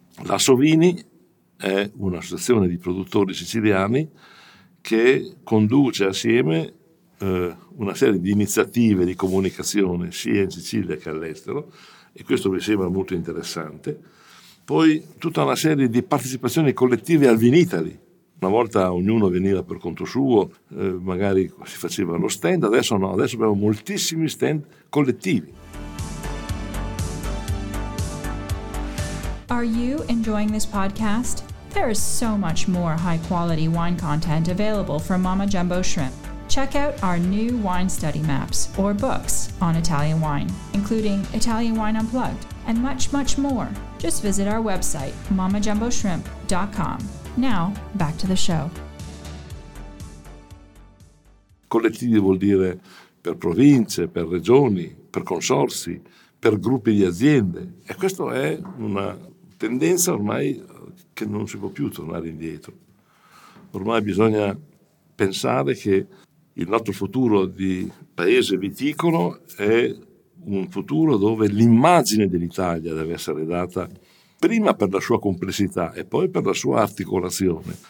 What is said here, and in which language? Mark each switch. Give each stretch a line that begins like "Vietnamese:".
Italian: La Sovini è un'associazione di produttori siciliani che conduce assieme una serie di iniziative di comunicazione sia in Sicilia che all'estero, e questo mi sembra molto interessante. Poi tutta una serie di partecipazioni collettive al Vinitaly. Una volta ognuno veniva per conto suo, magari si faceva lo stand, adesso no, adesso abbiamo moltissimi stand collettivi.
English: Are you enjoying this podcast? There is so much more high quality wine content available from Mama Jumbo Shrimp. Check out our new wine study maps or books on Italian wine, including Italian Wine Unplugged and much, much more. Just visit our website, mamajumboshrimp.com. Now, back to the show.
Italian: Collettivi vuol dire per province, per regioni, per consorsi, per gruppi di aziende. E questo è una tendenza ormai che non si può più tornare indietro. Ormai bisogna pensare che il nostro futuro di paese viticolo è un futuro dove l'immagine dell'Italia deve essere data prima per la sua complessità e poi per la sua articolazione.